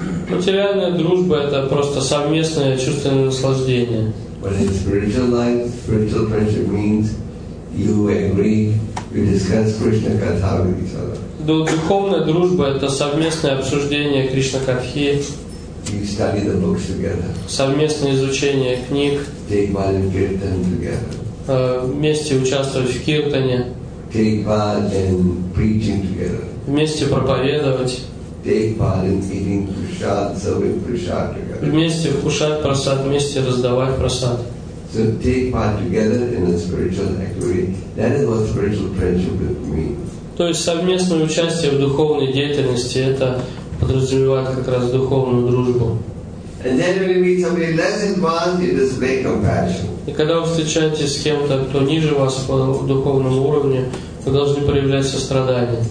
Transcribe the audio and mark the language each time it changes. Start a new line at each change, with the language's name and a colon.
Russian: Материальная дружба — это просто совместное чувственное наслаждение.
English: But in spiritual life, spiritual friendship means you agree, you discuss Krishna Katha with each other.
Russian: Духовная дружба — это совместное обсуждение Кришна Катхи.
English: You study the books together.
Russian: Совместное изучение книг.
English: Take part in kirtan together.
Russian: Вместе участвовать в киртане.
English: Take part in preaching together.
Russian: Вместе проповедовать.
English: Take part in eating prasad, serving prasad together.
Russian: Вместе вкушать просад, вместе раздавать просад.
English: So take part together in a spiritual activity. That is what spiritual friendship means.
Russian: То есть совместное участие в духовной деятельности — это подразумевает как раз духовную дружбу.
English: And then when you meet somebody less advanced, you display compassion.
Russian: И когда вы встречаетесь с кем-то, кто ниже вас по духовному уровню, вы должны проявлять сострадание.